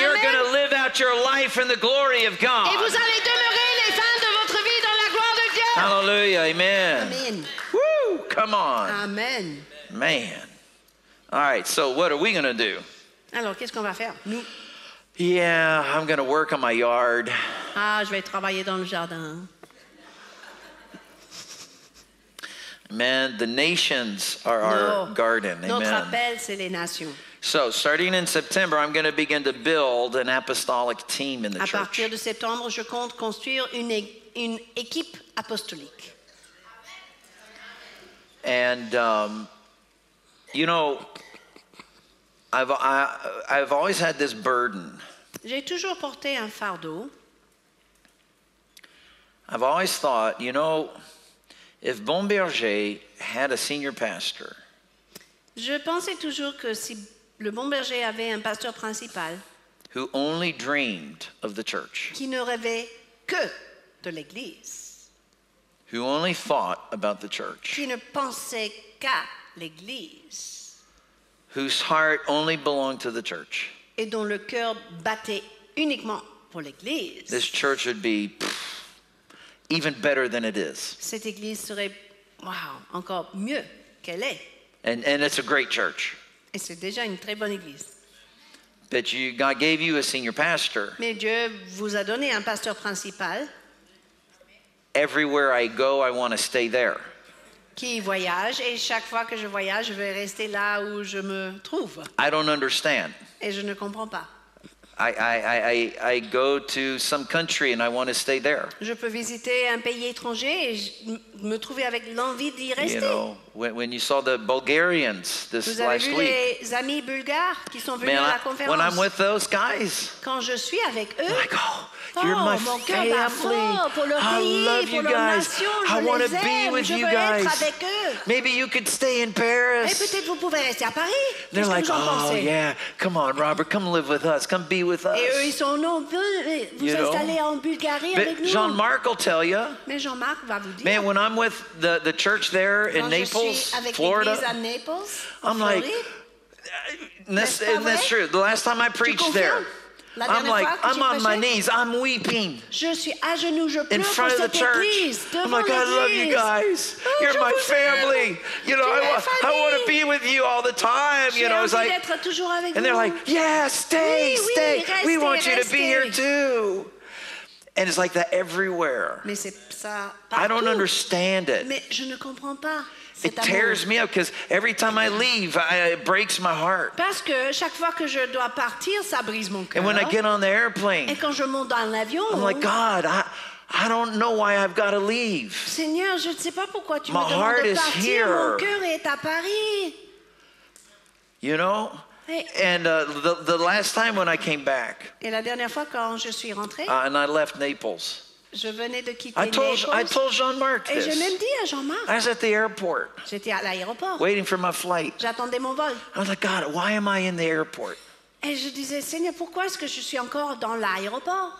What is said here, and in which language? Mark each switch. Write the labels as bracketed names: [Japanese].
[English] You're going to live out your life in the glory of God. [French] Et vous allez demeurer les fins de votre vie dans la gloire de Dieu. [English] Hallelujah. Amen. Amen. Woo! Come on. Amen. Man. All right. So what are we going to do? [French] Alors, qu'est-ce qu'on va faire? Nous. [English] Yeah, I'm going to work on my yard. [French] Ah, je vais travailler dans le jardin. [English] Amen. The nations are no. our garden. Amen. [French] Notre appel, c'est les nations. [English] So, starting in September, I'm going to begin to build an apostolic team in the [French] à [English] church. [French] À partir de septembre, je compte construire une équipe apostolique. [English] And, you know, I've always had this burden. [French] J'ai toujours porté un fardeau. [English] I've always thought, you know, if Bon Berger had a senior pastor. [French] Je pensais toujours que si le Bon Berger avait un pasteur principal. [English] Who only dreamed of the church. [French] Qui ne rêvait que de l'église. [English] Who only thought about the church. [French] Qui ne pensait qu'à l'église. [English] Whose heart only belonged to the church. [French] Et dont le cœur battait uniquement pour l'église. [English] This church would be even better than it is. [French] Cette église serait, wow, encore mieux qu'elle est. [English] And it's a great church. [French] Et c'est déjà une très bonne église. [English] But you, God gave you a senior pastor. [French] Mais Dieu vous a donné un pasteur principal. [English] Everywhere I go, I want to stay there. [French] Qui voyage, et chaque fois que je voyage, je vais rester là où je me trouve. [English] I don't understand. [French] Et je ne comprends pas. [English] I go to some country and I want to stay there. [French] Je peux visiter un pays étranger et me trouver avec l'envie d'y rester. [English] You know, when you saw the Bulgarians this last week. [French] Vous avez vu les amis bulgares qui sont venus à la conférence. [English] When I'm with those guys. [French] Quand je suis avec eux. [English] I go, you're my family. [French] Mon cœur bat fort pour leur pays, pour leur nation. [English] I want to be with you guys. [French] Je veux être avec eux. [English] Maybe you could stay in Paris. [French] Et peut-être vous pouvez rester à Paris. [English] They're like, oh yeah, come on, Robert, come live with us. Come be with us. [French] Et eux, ils sont non, vous installez en Bulgarie avec nous. [English] Jean-Marc will tell you. [French] Mais Jean-Marc va vous dire. [English] Man, when I'm with the church there in Naples, Florida, I'm like, that's true. The last time I preached there, I'm like, I'm on my knees, I'm weeping. [French] Je suis à genoux, je pleure [English] in front of the church. Oh my God, I love you guys. Oh, you're my family. You know, I want to be with you all the time. You know, it's like, and they're like, yeah, stay, stay. We want you to be here too. And it's like that everywhere. [French] Mais c'est ça [English] I don't understand it. [French] Mais je ne comprends pas. [English] It tears me up because every time I leave, it breaks my heart. [French] Parce que chaque fois que je dois partir, ça brise mon cœur. [English] And when I get on the airplane, [French] et quand je monte dans l'avion, [English] I'm like, God, I don't know why I've got to leave. [French] Seigneur, je ne sais pas pourquoi tu [English] my [French] me [English] heart [French] demandes [English] is [French] de partir. [English] Here. [French] Mon cœur est à Paris. [English] You know? And the last time when I came back, [French] et la dernière fois quand je suis rentrée, [English] and I left Naples. [French] Je venais de quitter [English] I told Jean-Marc this. [French] Et j'ai même dit à Jean-Marc. [English] I was at the airport. [French] J'étais à l'aéroport. [English] Waiting for my flight. [French] J'attendais mon vol. [English] I was like, God, why am I in the airport? [French] Et je disais, Seigneur, pourquoi est-ce que je suis encore dans l'aéroport?